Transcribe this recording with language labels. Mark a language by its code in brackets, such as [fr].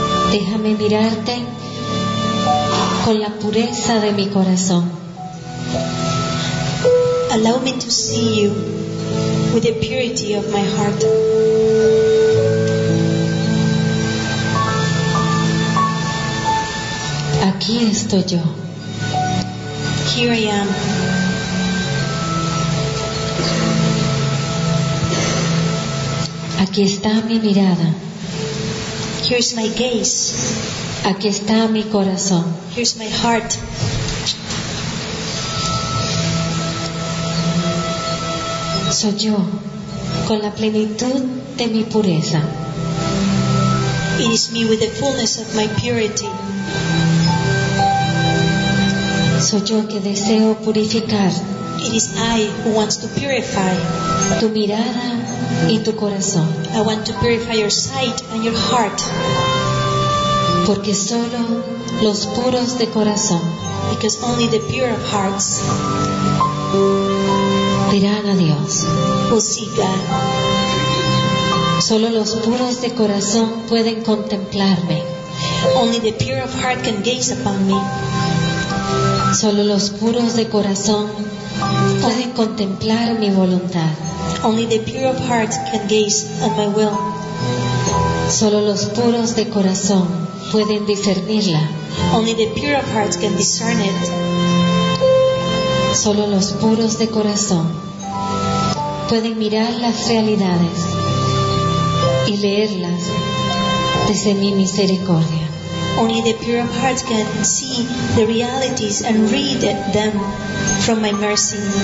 [es] Déjame mirarte con la pureza de mi corazón. [en] Allow me to see you with the purity of my heart. [es] Aquí estoy yo. [en] Here I am. [es] Aquí está mi mirada. [en] Here's my gaze. [es] Aquí está mi corazón. [en] Here's my heart. [es] Soy yo, con la plenitud de mi pureza. It is me with the fullness of my purity. Soy yo que deseo purificar. [en] It is I who wants to purify. [es] Tu mirada y tu corazón. [en] I want to purify your sight and your heart. [es] Porque solo los puros de corazón. [en] Because only the pure of hearts. [es] Verán a Dios. [en] Will see God. [es] Solo los puros de corazón pueden contemplarme. [en] Only the pure of heart can gaze upon me. [es] Solo los puros de corazón pueden contemplar mi voluntad. [en] Only the pure of heart can gaze at my will. [es] Solo los puros de corazón pueden discernirla. [en] Only the pure of heart can discern it. [es] Solo los puros de corazón pueden mirar las realidades y leerlas desde mi misericordia. [en] Only the pure of heart can see the realities and read them from my mercy.